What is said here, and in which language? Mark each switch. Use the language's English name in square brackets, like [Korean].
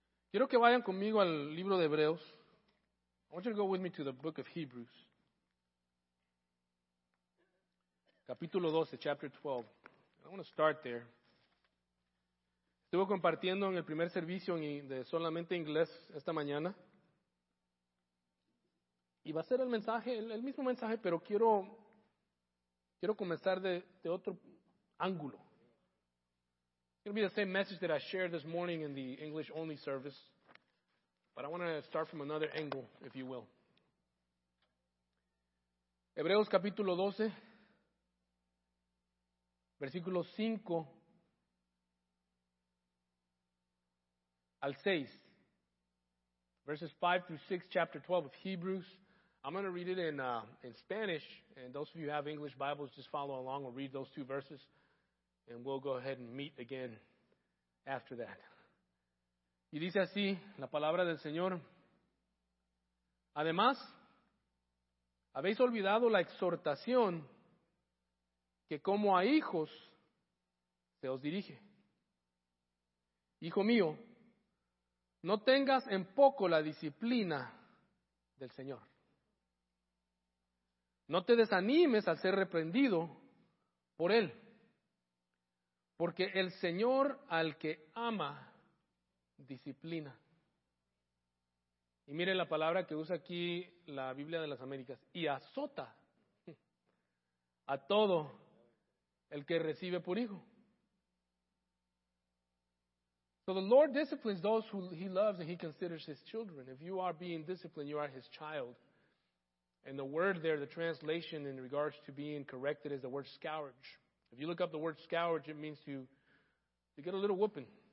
[Spanish] Quiero que vayan conmigo al libro de Hebreos. [English] I want you to go with me to the book of Hebrews. [Spanish] Capítulo 12, [English] chapter 12. I want to start there. [Spanish] Estuve compartiendo en el primer servicio de solamente inglés esta mañana. Y va a ser el mensaje, el mismo mensaje, pero quiero comenzar de otro ángulo. [English] It'll be the same message that I shared this morning in the English-only service, but I want to start from another angle, if you will. [Spanish] Hebreos capítulo 12, versículo 5 al 6. [English] Verses 5 through 6, chapter 12 of Hebrews. I'm going to read it in Spanish, and those of you who have English Bibles, just follow along or read those two verses, and we'll go ahead and meet again after that. [Spanish] Y dice así la palabra del Señor. Además, habéis olvidado la exhortación que como a hijos se os dirige. Hijo mío, no tengas en poco la disciplina del Señor. No te desanimes al ser reprendido por Él. Porque el Señor al que ama, disciplina. Y mire la palabra que usa aquí la Biblia de las Américas. Y azota a todo el que recibe por hijo. [English] So the Lord disciplines those who He loves and He considers His children. If you are being disciplined, you are His child. And the word there, the translation in regards to being corrected, is the word scourge. If you look up the word scourge, it means to get a little whooping.